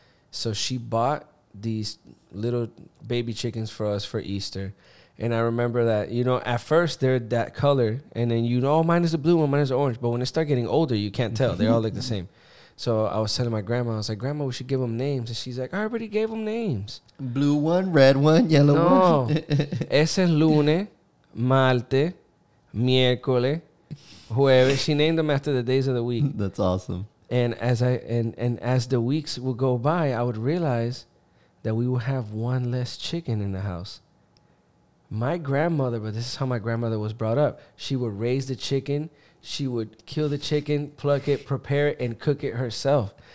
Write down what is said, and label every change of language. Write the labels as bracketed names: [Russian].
[English] So she bought these little baby chickens for us for Easter. And I remember that, you know, at first they're that color. And then, you know, oh, mine is the blue one, mine is the orange. But when they start getting older, you can't tell. They all look the same. So I was telling my grandma, I was like, Grandma, we should give them names. And she's like, I already gave them names. Blue one, red one, yellow one. [Spanish] Ese lunes, martes, miércoles, jueves. [English] She named them after the days of the week. That's awesome. And as as the weeks would go by, I would realize that we would have one less chicken in the house. My grandmother, but this is how my grandmother was brought up. She would raise the chicken. She would kill the chicken, pluck it, prepare it, and cook it herself.